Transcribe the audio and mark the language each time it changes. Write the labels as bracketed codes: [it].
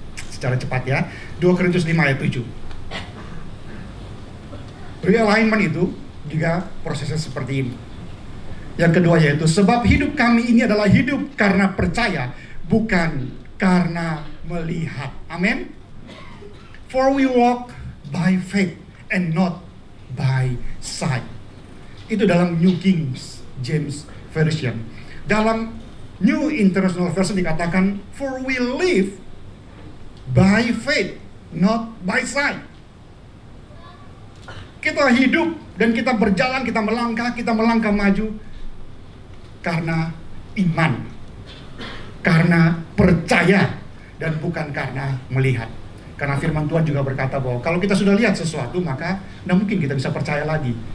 [id] Secara cepat ya, 2 Korintus 5 ayat 7. Realignment itu juga prosesnya seperti ini. Yang kedua yaitu, sebab hidup kami ini adalah hidup karena percaya, bukan karena melihat. Amin. [en] For we walk by faith and not by sight. [id] Itu dalam New King James Version. Dalam New International Version dikatakan, [en] for we live by faith, not by sight. [id] Kita hidup dan kita berjalan, kita melangkah maju karena iman, karena percaya, dan bukan karena melihat. Karena firman Tuhan juga berkata bahwa kalau kita sudah lihat sesuatu, maka tidak mungkin kita bisa percaya lagi.